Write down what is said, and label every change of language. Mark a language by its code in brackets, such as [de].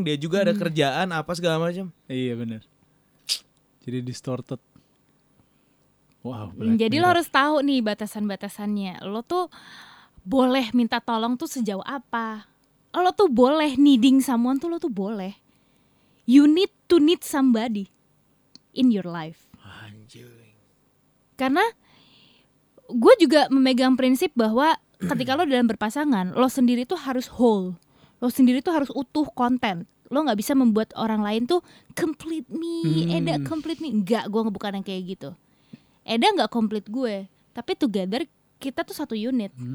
[id] Dia juga ada kerjaan apa segala macam. Iya, benar. Jadi distorted. Wow, jadi lo harus tahu nih batasan-batasannya. Lo tuh boleh minta tolong tuh sejauh apa. Lo tuh boleh [en] needing someone [id] tuh lo tuh boleh. [en] You need to need somebody in your life. [id] Anjing. Karena gue juga memegang prinsip bahwa ketika lo dalam berpasangan, lo sendiri tuh harus whole. Lo sendiri tuh harus utuh konten. Lo gak bisa membuat orang lain tuh [en] complete me, Eda complete me. [id] Enggak, gue bukan yang kayak gitu. Eda gak complete gue, tapi together kita tuh satu unit.